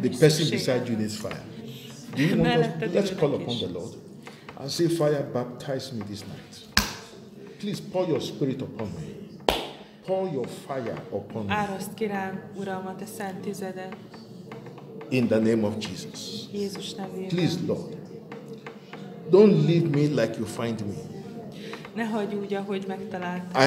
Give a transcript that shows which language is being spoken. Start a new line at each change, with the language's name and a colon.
English: the person beside you needs fire. Do you want us? Let's call upon the Lord and say, fire, baptize me this night. Please pour your spirit upon me. Pour your fire upon me.
Hungarian: Áraszt ki rám, Uram, a te szent tizedet.
English: In the name of Jesus.
Hungarian: Jézus nevében.
English: Please, Lord. Don't leave me like you find me.
Hungarian: Ne hagyj úgy, ahogy megtaláltál.